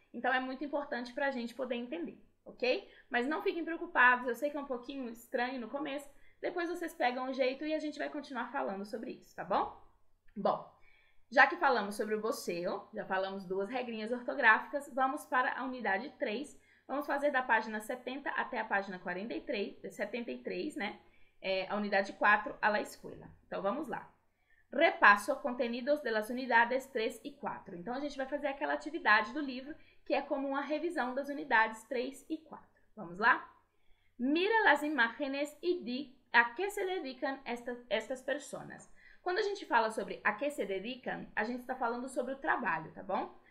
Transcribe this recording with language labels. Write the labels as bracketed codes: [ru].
[pt] Então, é muito importante para a gente poder entender, ok? Mas não fiquem preocupados, eu sei que é um pouquinho estranho no começo, depois vocês pegam o jeito e a gente vai continuar falando sobre isso, tá bom? Bom, já que falamos sobre o voseo, já falamos duas regrinhas ortográficas, vamos para a unidade 3, vamos fazer da página 70 até a página 43, 73, né? A unidade 4, [es] a la escuela. [pt] Então, vamos lá. [es] Repasso contenidos de las unidades 3 e 4. [pt] Então, a gente vai fazer aquela atividade do livro, que é como uma revisão das unidades 3 e 4. Vamos lá? [es] Mira las imágenes y di a qué se dedican estas personas. [pt] Quando a gente fala sobre [es] a qué se dedican, [pt] a gente está falando sobre o trabalho, tá bom?